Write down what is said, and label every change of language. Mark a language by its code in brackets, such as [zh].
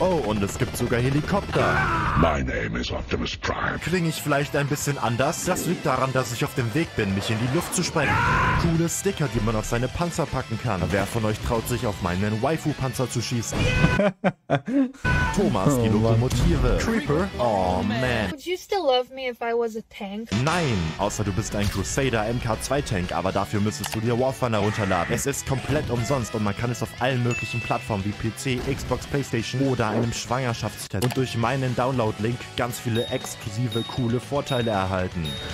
[de] Oh, und es gibt sogar Helikopter. [en] My name is Optimus Prime. [de] Klinge ich vielleicht ein bisschen anders? Das liegt daran, dass ich auf dem Weg bin, mich in die Luft zu sprengen. Coole Sticker, die man auf seine Panzer packen kann. Wer von euch traut sich, auf meinen Waifu-Panzer zu schießen? Thomas, die Lokomotive. Creeper? Oh, man. [en] Would you still love me if I was a tank? [de] Nein, außer du bist ein Crusader MK2-Tank, aber dafür müsstest du dir War Thunder runterladen. Es ist komplett umsonst und man kann es auf allen möglichen Plattformen wie PC, Xbox, PlayStation oder einem Schwangerschaftstest und durch meinen Download-Link ganz viele exklusive, coole Vorteile erhalten.